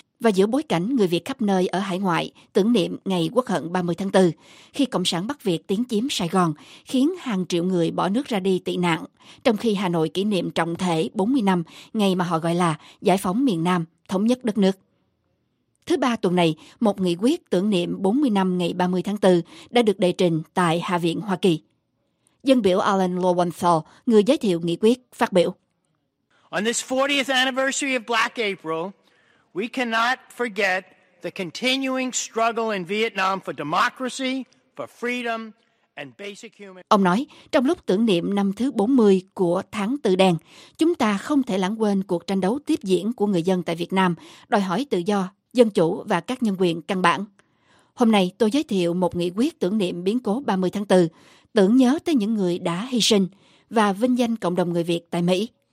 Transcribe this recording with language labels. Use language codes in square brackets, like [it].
[vi] Và giữa bối cảnh người Việt khắp nơi ở hải ngoại tưởng niệm ngày Quốc hận 30 tháng 4, khi Cộng sản Bắc Việt tiến chiếm Sài Gòn, khiến hàng triệu người bỏ nước ra đi tị nạn, trong khi Hà Nội kỷ niệm trọng thể 40 năm, ngày mà họ gọi là giải phóng miền Nam, thống nhất đất nước. Thứ ba tuần này, một nghị quyết tưởng niệm 40 năm ngày 30 tháng 4 đã được đệ trình tại Hạ viện Hoa Kỳ. Dân biểu Alan Lowenthal, người giới thiệu nghị quyết, phát biểu. [en] On this 40th anniversary of Black April, we cannot forget the continuing struggle in Vietnam for democracy, for freedom and basic human. [vi] Ông nói, trong lúc tưởng niệm năm thứ 40 của tháng Tư Đen, chúng ta không thể lãng quên cuộc tranh đấu tiếp diễn của người dân tại Việt Nam đòi hỏi tự do, dân chủ và các nhân quyền căn bản. Hôm nay tôi giới thiệu một nghị quyết tưởng niệm biến cố 30 tháng 4, tưởng nhớ tới những người đã hy sinh và vinh danh cộng đồng người Việt tại Mỹ.